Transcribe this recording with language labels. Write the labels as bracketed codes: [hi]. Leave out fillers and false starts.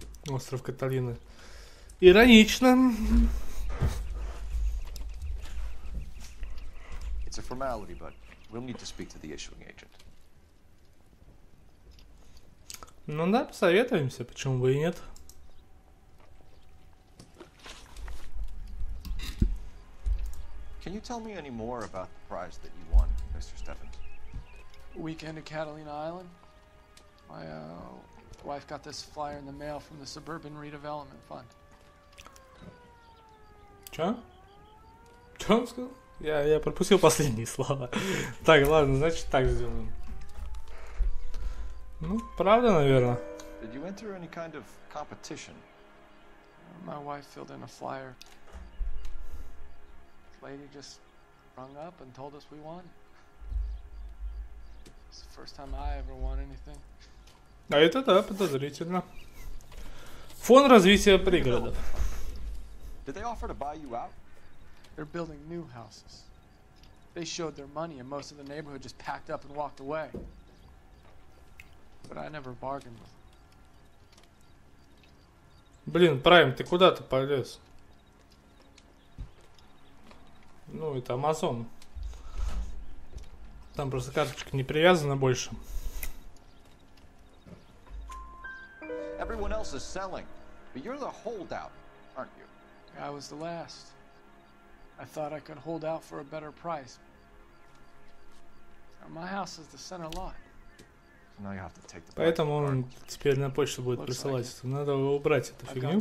[ru] Остров Каталины. Иронично. [en] It's a formality, but we'll need to speak to the issuing agent. [ru] Ну да, посоветуемся, почему бы и нет. [en] Can you tell me any more about the prize that you won, Mr. Stephens? Weekend at Catalina Island. My wife got this flyer in the mail from the Suburban Redevelopment Fund. [ru] Чё? Чё он сказал? Я пропустил последние слова. Так, ладно, значит так сделаем. Ну, правда, наверное. [en] Did you enter any kind of competition? My wife filled in a flyer. Lady just rung up and told us we won. It's the first time I ever won anything. [ru] А это да, подозрительно. Фон развития пригородов. [en] Did they offer to buy you out? They're building new houses. They showed their money and most of the neighborhood just packed up and walked away. But I never bargained with them. [ru] Блин, Прайм, ты куда-то полез? Ну, это Амазон. Там просто карточка не привязана больше. [en] Everyone else is selling, but you're the holdout, aren't you? I was the last. I thought I could hold out for a better price. My house is the center lot. So now you have to take the [ru] Поэтому он теперь на почту будет [en] Looks [ru] присылать. [en] Like [ru] Надо убрать эту фигню.